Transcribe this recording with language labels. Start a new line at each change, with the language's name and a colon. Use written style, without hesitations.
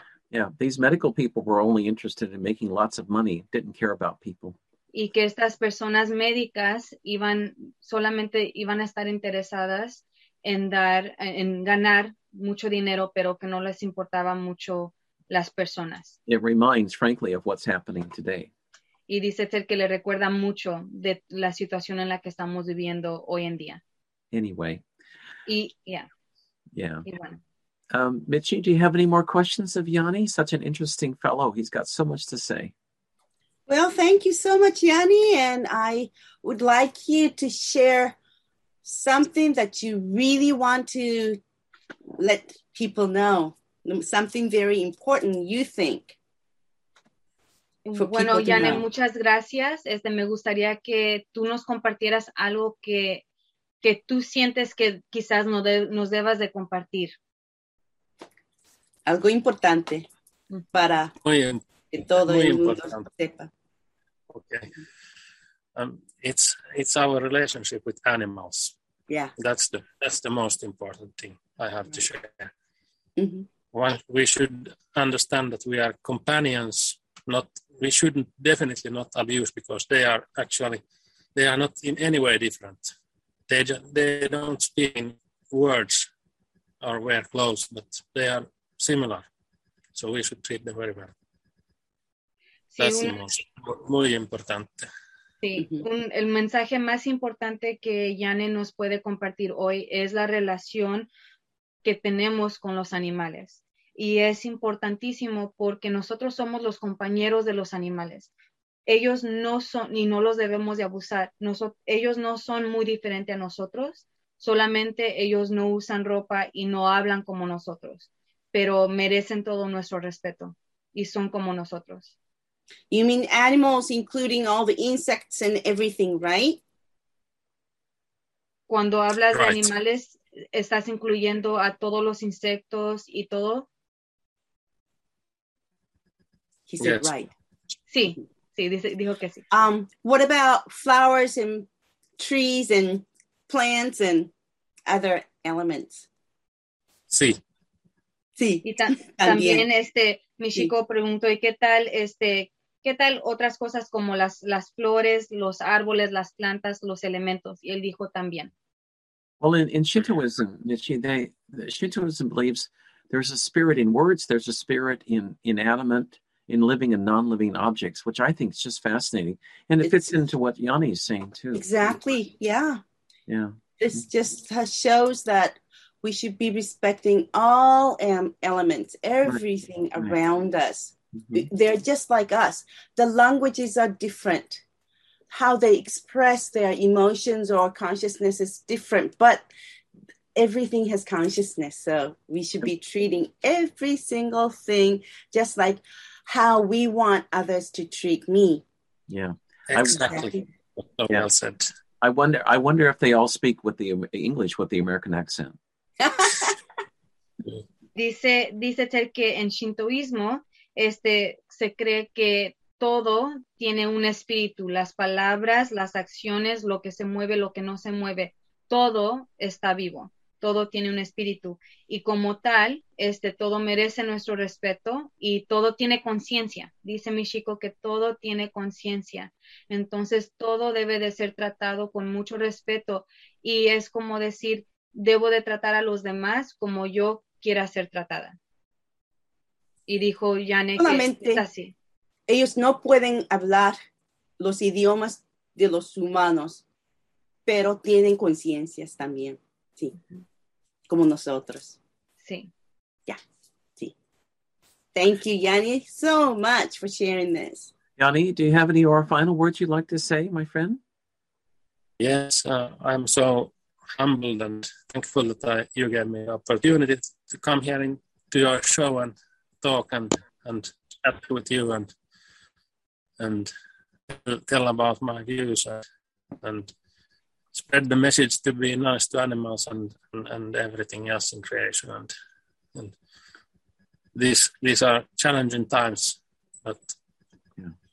English: Yeah, these medical people were only interested in making lots of money, didn't care about people.
Spanish: Y que estas personas médicas solamente iban a estar interesadas en ganar mucho dinero, pero que no les importaba mucho las personas.
English: It reminds, frankly, of what's happening today.
Spanish: Y dice Ter que le recuerda mucho de la situación en la que estamos viviendo hoy en día.
English: Anyway.
Spanish: Y bueno.
English: Mitchy, do you have any more questions of Yanni? Such an interesting fellow. He's got so much to say. Well, thank you so much, Yanni, and I would like you to share something that you really want to let people know, something very important you think.
Spanish: Bueno, Yanni, muchas gracias. Me gustaría que tú nos compartieras algo que que tú sientes que quizás no nos debas de compartir. Algo importante para que todo el mundo sepa.
English: Okay. It's our relationship with animals. Yeah. That's the most important thing I have to share. Mm-hmm. One, we should understand that we are companions, we shouldn't abuse, because they are not in any way different. They don't speak in words or wear clothes, but they are similar. So we should treat them very well. Sí, that's the most
Spanish: muy importante. Sí, el mensaje más importante que Yane nos puede compartir hoy es la relación que tenemos con los animales. Y es importantísimo porque nosotros somos los compañeros de los animales. Ellos no son, y no los debemos de abusar, ellos no son muy diferentes a nosotros, solamente ellos no usan ropa y no hablan como nosotros, pero merecen todo nuestro respeto y son como nosotros.
English: You mean animals, including all the insects and everything, right?
Spanish: Cuando hablas right. de animales, ¿estás incluyendo a todos los insectos y todo?
English: He said yes. Right.
Spanish: Sí, sí, dijo que sí.
English: What about flowers and trees and plants and other elements?
Spanish: Sí. Sí. Y también mi chico sí. preguntó, ¿y qué tal ¿Qué tal otras cosas como las flores, los árboles, las plantas, los elementos? Y él dijo también.
English: Well, in Shintoism, Nishi, Shintoism believes there's a spirit in words, there's a spirit in inanimate, in living and non-living objects, which I think is just fascinating. And it fits into what Yanni is saying, too. Exactly, yeah. Yeah. This just shows that we should be respecting all elements, everything right. around right. us. Mm-hmm. They're just like us. The languages are different. How they express their emotions or consciousness is different, but everything has consciousness. So we should be treating every single thing just like how we want others to treat me. Yeah, exactly. Well said. I wonder if they all speak with the English with the American accent.
Spanish: Dice Ted que en Shintoísmo se cree que todo tiene un espíritu, las palabras, las acciones, lo que se mueve, lo que no se mueve, todo está vivo, todo tiene un espíritu, y como tal, todo merece nuestro respeto, y todo tiene conciencia, dice mi chico que todo tiene conciencia, entonces todo debe de ser tratado con mucho respeto, y es como decir, debo de tratar a los demás como yo quiera ser tratada. Y dijo Yane que solamente es así. Ellos no pueden hablar los idiomas de los humanos, pero tienen conciencias también, sí, como nosotros. Sí. Ya, yeah. Sí.
English: Thank you, Yane, so much for sharing this. Yane, do you have any or final words you'd like to say, my friend? Yes, I'm so humbled and thankful that you gave me the opportunity to come here to your show and talk and chat with you and tell about my views and spread the message to be nice to animals and everything else in creation and these are challenging times, but yeah.